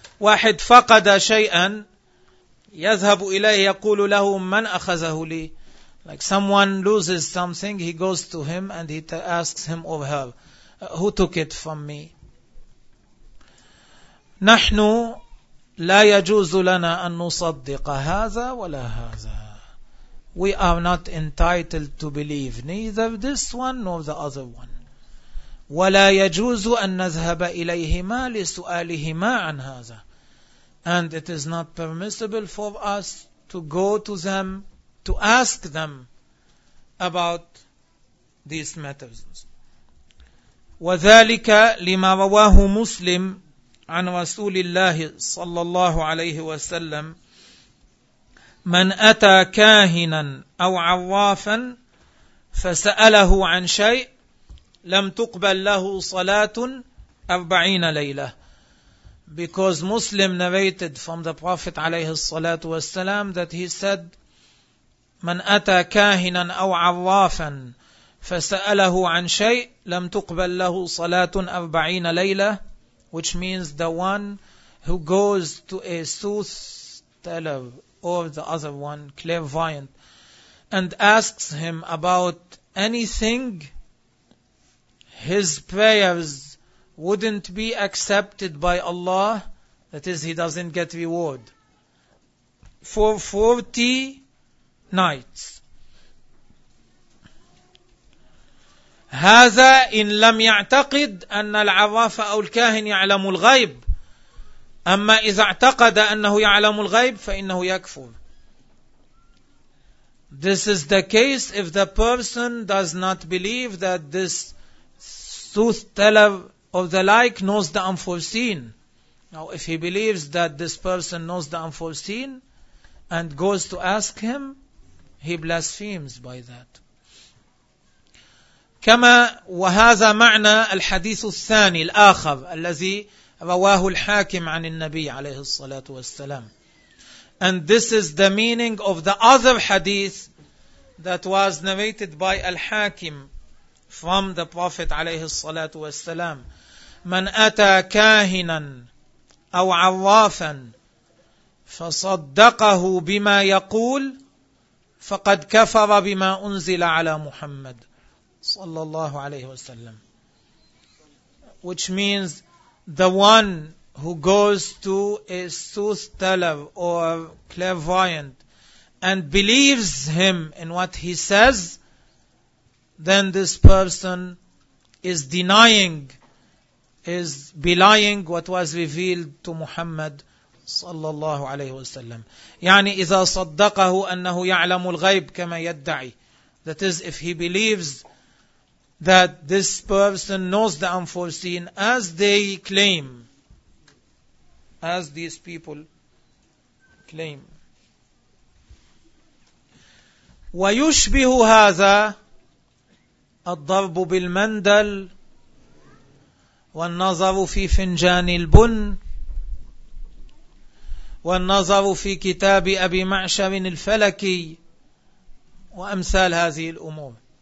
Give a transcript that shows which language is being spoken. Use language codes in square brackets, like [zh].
[ar] واحد فقد شيئا يذهب إليه يقول له من أخذه لي. [en] Like someone loses something, he goes to him and he asks him or her, who took it from me. [ar] نحن لا يجوز لنا أن نصدق هذا ولا هذا. [en] We are not entitled to believe neither this one nor the other one. [ar] ولا يجوز أن نذهب إليهما لسؤالهما عن هذا. [en] And it is not permissible for us to go to them, to ask them about these matters. [ar] وذلك لما رواه مسلم عن رسول الله صلى الله عليه وسلم من أتى كاهنا أو عرافا فسأله عن شيء لم تقبل له صلاة 40 ليلة. [en] Because Muslim narrated from the Prophet [ar] عليه الصلاة والسلام [en] that he said, [ar] من أتى كاهنا أو عرافا فسأله عن شيء لم تقبل له صلاة 40 ليلة, [en] which means the one who goes to a soothsayer or the other one, clairvoyant, and asks him about anything, his prayers wouldn't be accepted by Allah, that is, he doesn't get reward, for 40 nights. [ar] هذا إن لم يعتقد أن العراف أو الكاهن يعلم الغيب, أما إذا اعتقد أنه يعلم الغيب فإنه يكفر. [en] This is the case if the person does not believe that this sooth teller of the like knows the unforeseen. Now, if he believes that this person knows the unforeseen and goes to ask him, he blasphemes by that. [ar] كما وهذا معنى الحديث الثاني الآخر الذي رواه الحاكم عن النبي عليه الصلاة والسلام. [en] And this is the meaning of the other hadith that was narrated by Al-Hakim from the Prophet [ar] عليه الصلاة والسلام. من أتى كاهنا أو عرافا فصدقه بما يقول فقد كفر بما أنزل على محمد صلى الله عليه وسلم. [en] Which means the one who goes to a soothsayer or clairvoyant and believes him in what he says, then this person is denying, is belying what was revealed to Muhammad [ar] صلى الله عليه وسلم. يعني إذا صدقه أنه يعلم الغيب كما يدعي. [en] That is, if he believes that this person knows the unforeseen as they claim, as these people claim. [ar] ويشبه هذا الضرب بالمندل والنظر في فنجان البن والنظر في كتاب أبي معشر الفلكي وأمثال هذه الأمور.